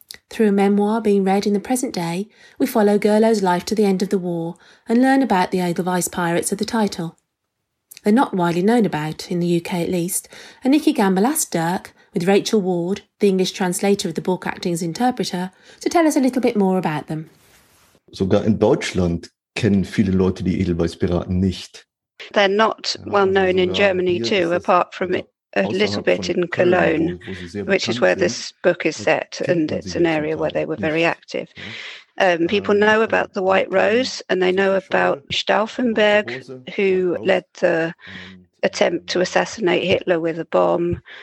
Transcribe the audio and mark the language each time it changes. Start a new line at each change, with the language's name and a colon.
English: Through a memoir being read in the present day, we follow Gerlo's life to the end of the war and learn about the Edelweiss Pirates of the title. They're not widely known about, in the UK at least, and Nicky Gamble asked Dirk, with Rachel Ward, the English translator of the book acting as interpreter, to tell us a little bit more about them.
German: Sogar in Deutschland kennen viele Leute die Edelweiss Piraten nicht.
English: They're not well known in Germany too, apart from a little bit in Cologne, which is where this book is set, and it's an area where they were very active. People know about the White Rose, and they know about Stauffenberg, who led the attempt to assassinate Hitler with a bomb.